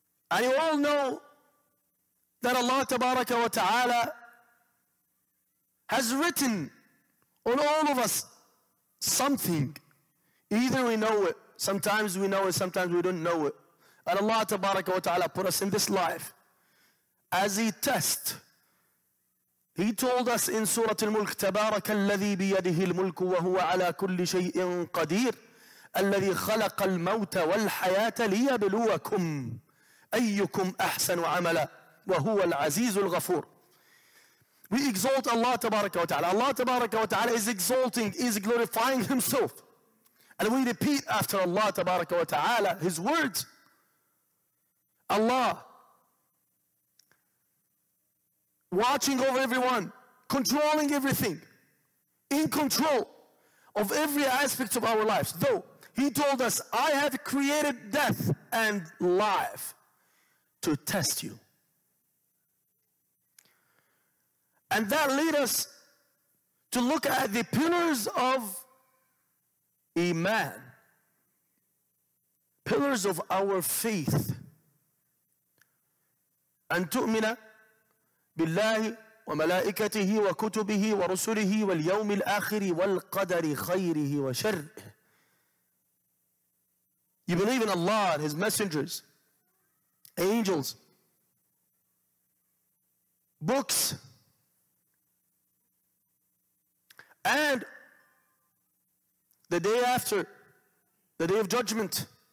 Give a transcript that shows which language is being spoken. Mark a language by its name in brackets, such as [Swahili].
[English] And you all know that Allah tabaraka wa ta'ala has written on all of us something. Either we know it, sometimes we know it, sometimes we don't know it. And Allah tabaraka wa ta'ala put us in this life as a test. He told us in Surah Al-Mulk, [Arabic] تَبَارَكَ الَّذِي بِيَدِهِ الْمُلْكُ وَهُوَ عَلَىٰ كُلِّ شَيْءٍ قَدِيرٍ الَّذِي خَلَقَ الْمَوْتَ وَالْحَيَاةَ لِيَبْلُوَكُمْ أَيُّكُمْ أَحْسَنُ عَمَلًا وَهُوَ الْعَزِيزُ الْغَفُورُ. [English] We exalt Allah tabaraka wa ta'ala. Allah tabaraka wa ta'ala is exalting, is glorifying himself. And we repeat after Allah tabaraka wa ta'ala his words. Allah watching over everyone, controlling everything, in control of every aspect of our lives. Though he told us, I have created death and life to test you. And that leads us to look at the pillars of Iman, pillars of our faith. [Arabic] أن تؤمن بالله وملائكته وكتبه ورسله واليوم الآخر والقدر خيره وشره. [English] You believe in Allah and His messengers, angels, books, and the day after, the day of judgment.